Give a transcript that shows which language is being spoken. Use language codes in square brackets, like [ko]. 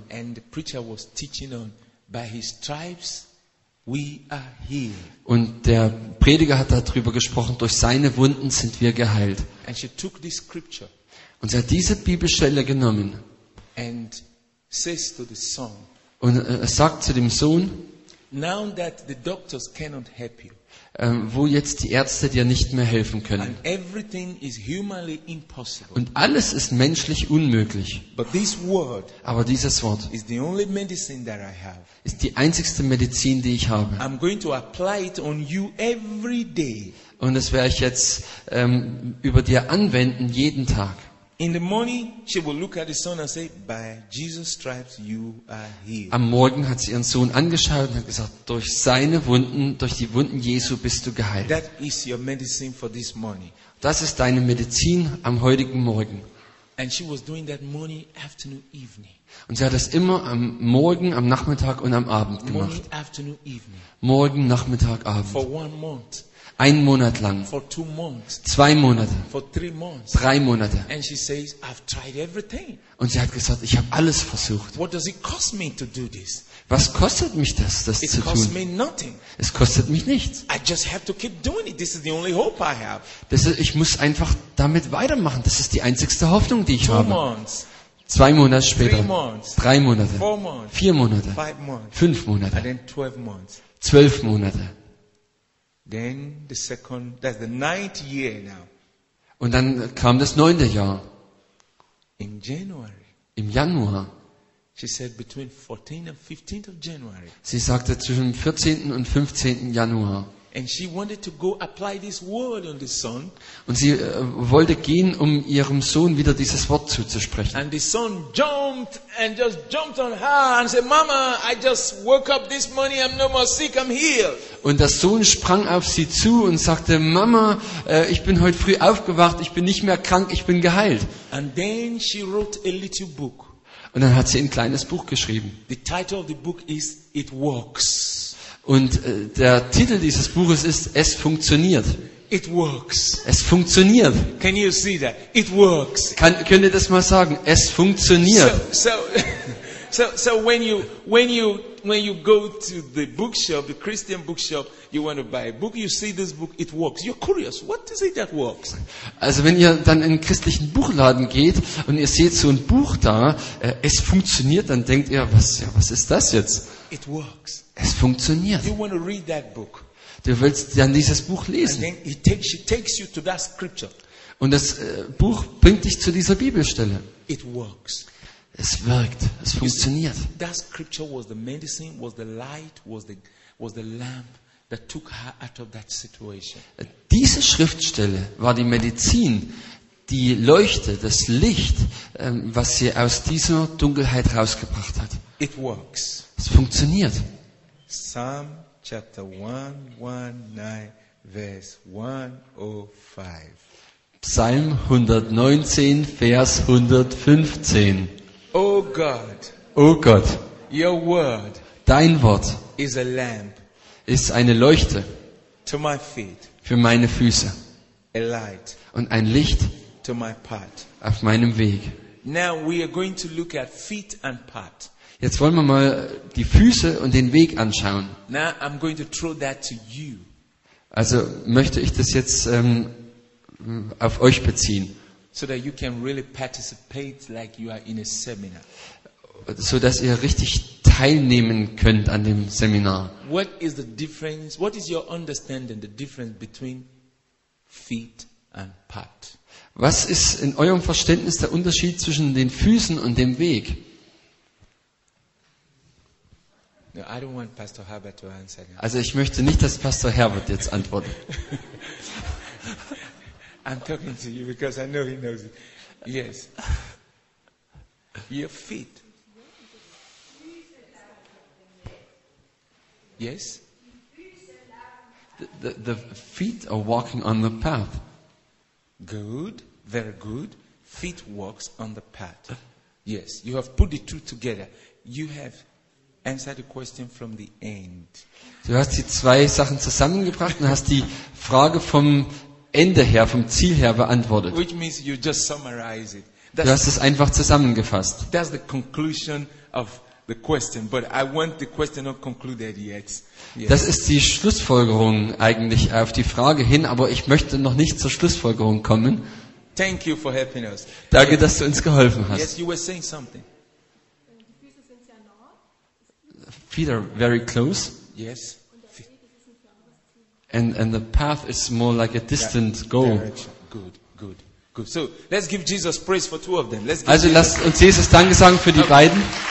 [en] And the preacher was teaching on by his stripes. We are healed. [de] Und der Prediger hat darüber gesprochen, durch seine Wunden sind wir geheilt. [en] And she took this scripture. [de] Und sie hat diese Bibelstelle genommen. [en] And says to the son, [de] und sagt zu dem Sohn, [en] now that the doctors cannot help you, [de] wo jetzt die Ärzte dir nicht mehr helfen können. [en] And everything is humanly impossible. [de] Und alles ist menschlich unmöglich. [en] But this word, [de] aber dieses Wort [en] is the only medicine that I have. [de] Ist die einzigste Medizin, die ich habe. [en] I'm going to apply it on you every day. [de] Und das werde ich jetzt über dir anwenden, jeden Tag. [en] In the morning she will look at the son and say, by Jesus' stripes you are healed. [de] Am Morgen hat sie ihren Sohn angeschaut und hat gesagt, durch seine Wunden, durch die Wunden Jesu bist du geheilt. [en] That is your medicine for this morning. [de] Das ist deine Medizin am heutigen Morgen. [en] And she was doing that morning, afternoon, evening. [de] Und sie hat das immer am Morgen, am Nachmittag und am Abend gemacht. [en] Morning, afternoon, evening. [de] Morgen, Nachmittag, Abend. [en] For 1 month. [de] 1 Monat lang. [en] For 2 months. [de] 2 Monate. [en] For 3 months. [de] 3 Monate. [en] And she says, I've tried everything. [de] Und sie hat gesagt, ich habe alles versucht. [en] What does it cost me to do this? [de] Was kostet mich das, das [en] it [de] zu [en] costs [de] tun? [en] Me nothing. [de] Es kostet mich nichts. [en] I just have to keep doing it. This is the only hope I have. [de] Das ist, ich muss einfach damit weitermachen. Das ist die einzigste Hoffnung, die ich [en] two [de] habe. [en] Months. [de] 2 Monate später. [en] 3 months. [de] 3 Monate. [en] 4 months. [de] 4 Monate. [en] 5 months. [de] 5 Monate. [en] And then 12 months. [de] 12 Monate. [en] Then the second, that's the ninth year now. [de] Und dann kam das 9. Jahr. [en] In January. [de] Im Januar. [en] She said between 14th and 15th of January. [de] Sie sagte zwischen 14. und 15. Januar. [en] And she wanted to go apply this word on the son. [de] Und sie wollte gehen, um ihrem Sohn wieder dieses Wort zuzusprechen. [en] And the son jumped and just jumped on her and said, "Mama, I just woke up this morning. I'm no more sick. I'm healed." [de] Und der Sohn sprang auf sie zu und sagte, "Mama, ich bin heute früh aufgewacht. Ich bin nicht mehr krank. Ich bin geheilt." [en] And then she wrote a little book. [de] Und dann hat sie ein kleines Buch geschrieben. [en] The title of the book is "It Works." [de] Und der Titel dieses Buches ist "Es funktioniert." [en] It works. [de] Es funktioniert. [en] Can you see that? It works. [de] Könnt ihr das mal sagen? Es funktioniert. [en] So when you go to the bookshop, the Christian bookshop, you want to buy a book, you see this book, it works. You're curious. What is it that works? [de] Also wenn ihr dann in einen christlichen Buchladen geht und ihr seht so ein Buch da, es funktioniert, dann denkt ihr, was ist das jetzt? [en] It works. [de] Es funktioniert. [en] You want to read that book. [de] Du willst dann dieses Buch lesen. [en] And then it takes you to that scripture. [de] Und das Buch bringt dich zu dieser Bibelstelle. [en] It works. [de] Es wirkt. Es funktioniert. [en] That scripture was the medicine, was the light, was the lamp that took her out of that situation. [de] Diese Schriftstelle war die Medizin, die Leuchte, das Licht, was sie aus dieser Dunkelheit rausgebracht hat. [en] It works. [de] Es funktioniert. [en] Psalm chapter 119 verse 105. [de] Psalm 119 Vers 115. [en] Oh God. [de] Oh Gott. [en] Your word. [de] Dein Wort. [en] Is a lamp. [de] Ist eine Leuchte. [en] To my feet. [de] Für meine Füße. [en] A light. [de] Und ein Licht. [en] To my path. [de] Auf meinem Weg. [en] Now we are going to look at feet and path. [de] Jetzt wollen wir mal die Füße und den Weg anschauen. [en] Now I'm going to throw that to you. [de] Also möchte ich das jetzt auf euch beziehen. [en] So that you can really participate like you are in a seminar. [de] So dass ihr richtig teilnehmen könnt an dem Seminar. [en] What is the difference? What is your understanding the difference between feet and path? [de] Was ist in eurem Verständnis der Unterschied zwischen den Füßen und dem Weg? [en] No, I don't want Pastor Herbert to answer that. [de] Also ich möchte nicht, dass Pastor Herbert jetzt antwortet. [en] I'm talking to you because I know he knows it. Yes. Your feet. Yes. The feet are walking on the path. Good, very good. feet walks on the path. Yes, you have put the two together. You have answered the question from the end. [de] Du hast die zwei Sachen zusammengebracht und hast die Frage vom Ende her, vom Ziel her beantwortet. [en] Which means you just summarize it. [de] Du hast es einfach zusammengefasst. [en] That's the conclusion of the question, but I want the question not concluded yet. [de] Das ist die Schlussfolgerung eigentlich auf die Frage hin, aber ich möchte noch nicht zur Schlussfolgerung kommen. [en] Thank you for helping us. [de] Danke, dass du uns geholfen hast. [en] Yes, you were saying something. Feet are very close. Yes. And the path is more like a distant goal. Good, good, good. So let's give Jesus praise for two of them. Let's give [de] also lasst uns Jesus Danke sagen für die beiden.